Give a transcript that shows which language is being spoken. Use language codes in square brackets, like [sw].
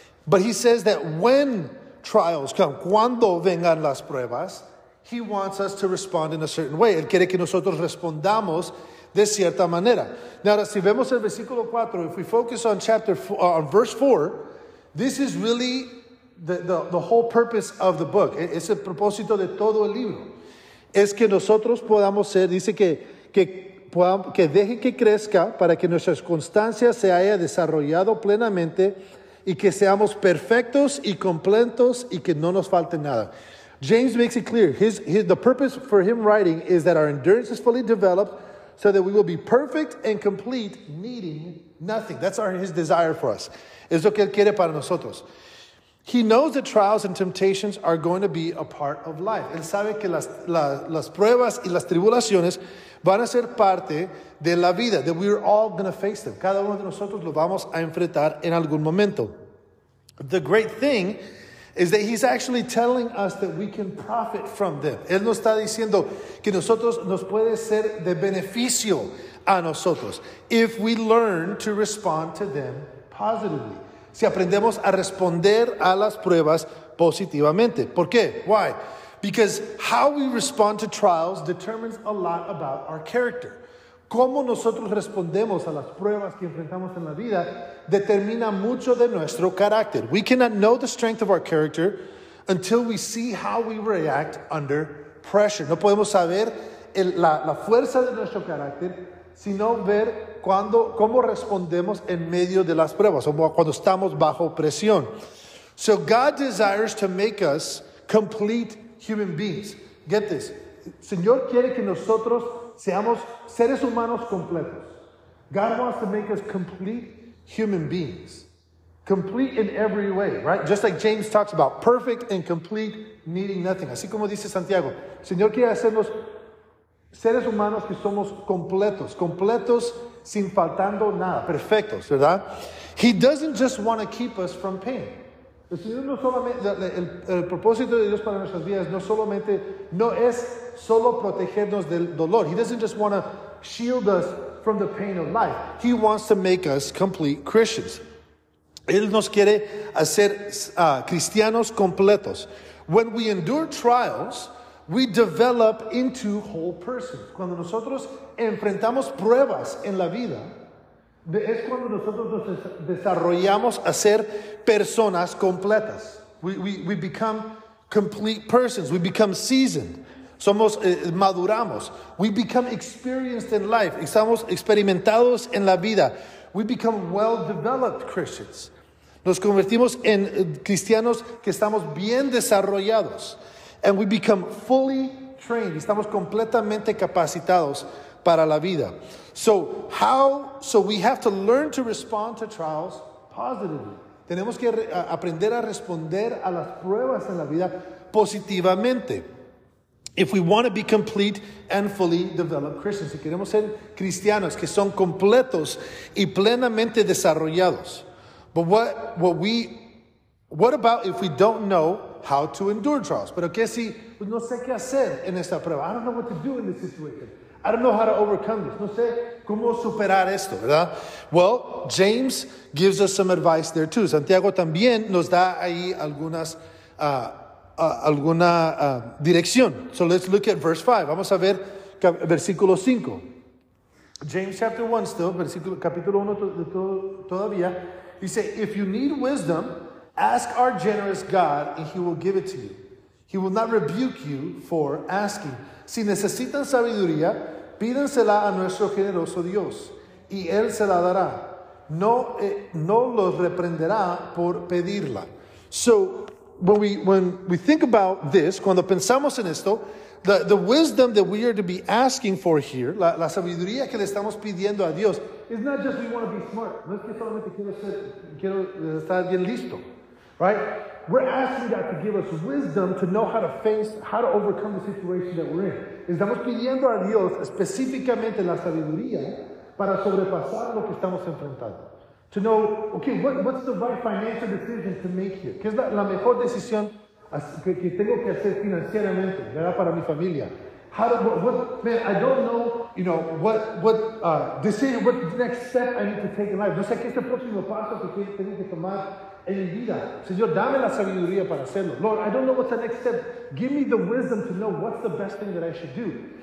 [en] But he says that when trials come, [es] cuando vengan las pruebas, [en] he wants us to respond in a certain way. [es] Él quiere que nosotros respondamos de cierta manera. [en] Now, [es] si vemos el versículo 4, [en] if we focus on verse 4, this is really the whole purpose of the book. [es] Es el propósito de todo el libro. Es que nosotros podamos ser, dice que deje que crezca para que nuestra constancia se haya desarrollado plenamente y que seamos perfectos y completos y que no nos falte nada. [en] James makes it clear. The purpose for him writing is that our endurance is fully developed so that we will be perfect and complete, needing nothing. That's his desire for us. [es] Es lo que él quiere para nosotros. [en] He knows that trials and temptations are going to be a part of life. [es] Él sabe que las pruebas y las tribulaciones van a ser parte de la vida, [en] that we're all going to face them. [es] Cada uno de nosotros lo vamos a enfrentar en algún momento. [en] The great thing is that he's actually telling us that we can profit from them. [es] Él nos está diciendo que nosotros nos puede ser de beneficio a nosotros [en] if we learn to respond to them positively. [es] Si aprendemos a responder a las pruebas positivamente. ¿Por qué? [en] Why? Because how we respond to trials determines a lot about our character. [es] Cómo nosotros respondemos a las pruebas que enfrentamos en la vida determina mucho de nuestro carácter. [en] We cannot know the strength of our character until we see how we react under pressure. [es] No podemos saber la fuerza de nuestro carácter sino ver cómo respondemos en medio de las pruebas o cuando estamos bajo presión. [en] So God desires to make us complete human beings. Get this. [es] Señor quiere que nosotros seamos seres humanos completos. [en] God wants to make us complete human beings. Complete in every way, right? Just like James talks about, perfect and complete, needing nothing. [es] Así como dice Santiago, Señor quiere hacernos seres humanos que somos completos, completos sin faltando nada, perfectos, ¿verdad? [en] He doesn't just want to keep us from pain. [es] El Señor no solamente, el propósito de Dios para nuestras vidas no solamente, no es solo protegernos del dolor. [en] He doesn't just want to shield us from the pain of life. He wants to make us complete Christians. [es] Él nos quiere hacer cristianos completos. [en] When we endure trials, we develop into whole persons. [es] Cuando nosotros enfrentamos pruebas en la vida, es cuando nosotros nos desarrollamos a ser personas completas. [en] We become complete persons. We become seasoned. [es] Somos maduramos. [en] We become experienced in life. [es] Estamos experimentados en la vida. [en] We become well-developed Christians. [es] Nos convertimos en cristianos que estamos bien desarrollados. [en] And we become fully trained. [es] Estamos completamente capacitados para la vida. [en] So we have to learn to respond to trials positively. [es] Tenemos que aprender a responder a las pruebas en la vida positivamente. [en] If we want to be complete and fully developed Christians, [es] si queremos ser cristianos que son completos y plenamente desarrollados. [en] But what about if we don't know how to endure trials? [es] Pero qué si pues no sé qué hacer en esta prueba. [en] I don't know what to do in this situation. I don't know how to overcome this. [es] No sé cómo superar esto, ¿verdad? [en] Well, James gives us some advice there too. [es] Santiago también nos da ahí alguna dirección. [en] So let's look at verse 5. [es] Vamos a ver versículo 5. [en] James chapter 1 still, [es] capítulo 1 todavía. [en] He says, if you need wisdom, ask our generous God and he will give it to you. He will not rebuke you for asking. [es] Si necesitan sabiduría, pídensela a nuestro generoso Dios y él se la dará. No los reprenderá por pedirla. [en] So, When we think about this, [es] cuando pensamos en esto, [en] the wisdom that we are to be asking for here, [es] la sabiduría que le estamos pidiendo a Dios, [en] it's not just we want to be smart. [es] No es que solamente quiero estar bien listo, [en] right? We're asking God to give us wisdom to know how to overcome the situation that we're in. [es] Estamos pidiendo a Dios específicamente la sabiduría para sobrepasar lo que estamos enfrentando. [en] To know, okay, what's the right financial decision to make here? [es] ¿Qué es la mejor decisión que tengo que hacer financieramente, ¿verdad? Para mi familia? [en] I don't know, you know, what next step I need to take in life. [es] No sé qué es el próximo paso que tengo que tomar en mi vida. Señor, dame la sabiduría para hacerlo. [en] Lord, I don't know what's the next step. Give me the wisdom to know what's the best thing that I should do.